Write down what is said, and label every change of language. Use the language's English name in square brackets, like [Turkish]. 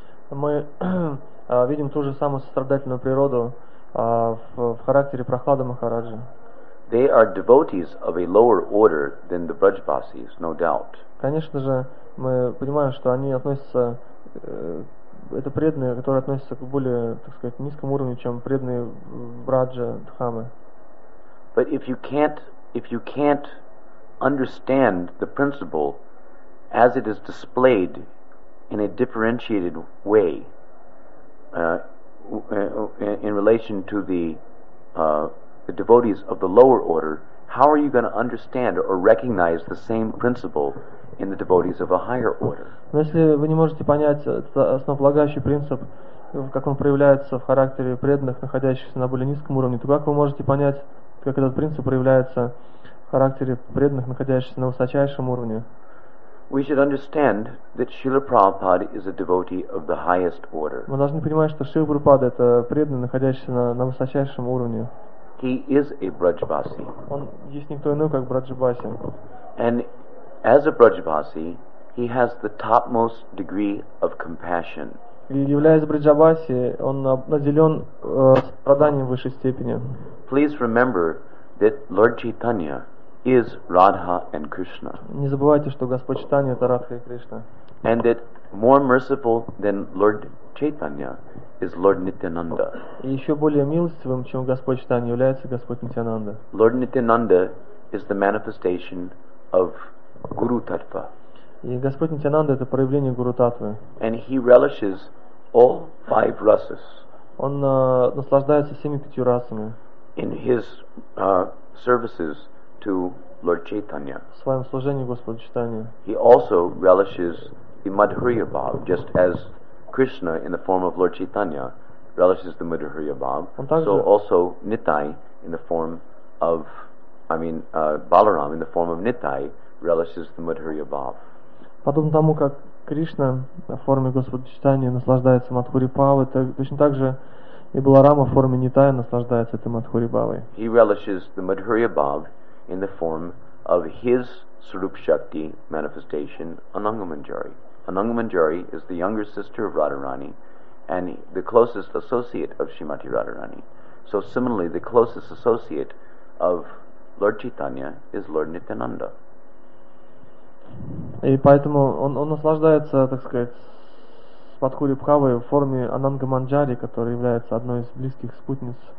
[Russian] Мы видим ту же самую сострадательную природу в характере Прахлада Махараджи. [English] They are devotees of a lower order than the Brajbasis, no doubt. [Russian] Конечно же, мы понимаем, что они относятся, это преданные, которые относятся к более, так сказать, низкому уровню, чем преданные Браджа Дхамы. [English] But if you can't understand the principle as it is displayed in a differentiated way in relation to the devotees of the lower order, how are you going to understand or recognize the same principle in the devotees of a higher order? [Russian] Если вы не можете понять основополагающий принцип, как он проявляется в характере преданных, находящихся на более низком уровне, то как вы можете понять, как этот принцип проявляется в характере преданных, находящихся на высочайшем уровне? [English] We should understand that Srila Prabhupada is a devotee of the highest order. [Russian] Мы должны понимать, что Шрила Прабхупада это преданный, находящийся на высочайшем уровне. [English] He is a Brajbasi. [Russian] Он есть никто иной, как Брадж-баси. [English] And as a Brajbasi, he has the topmost degree of compassion. [Russian] И являясь Брадж-баси, он наделен страданием высшей степени. [English] Please remember that Lord Chaitanya is Radha and Krishna. [Russian] Не забывайте, что Господь Чайтанья это Радха и Кришна. [English] And that more merciful than Lord Chaitanya is Lord Nityananda. [Russian] И еще более милостивым, чем Господь Чайтанья, является Господь Нитянанда. [English] Lord Nityananda is the manifestation of Guru Tattva. [Russian] И Господь Нитянанда это проявление Гуру Таттвы. [English] And he relishes all five rasas. [Russian] Он наслаждается всеми пятью расами. [English] In his services to Lord Chaitanya. [Russian] В своем служении Господу Чайтанья. [English] He also relishes the Madhurya Bhav, just as Krishna in the form of Lord Chaitanya relishes the Madhurya Bhav, so also Nittai in the form of, Balaram in the form of Nittai relishes the Madhurya Bhav. [Russian] Подобно тому, как Кришна в форме Господа Чайтанья наслаждается Мадхури Бхавой, точно так же и Баларама в форме Нитая наслаждается этой Мадхури Бхавой. [English] He relishes the Madhurya Bhav in the form of his Swarup Shakti manifestation, Anangamanjari. Anangamanjari is the younger sister of Radharani and the closest associate of Srimati Radharani. So similarly, the closest associate of Lord Chaitanya is Lord Nityananda. [Russian] И поэтому он наслаждается, так сказать, Падхури Бхавой в форме Анангаманджари, которая является одной из близких спутниц.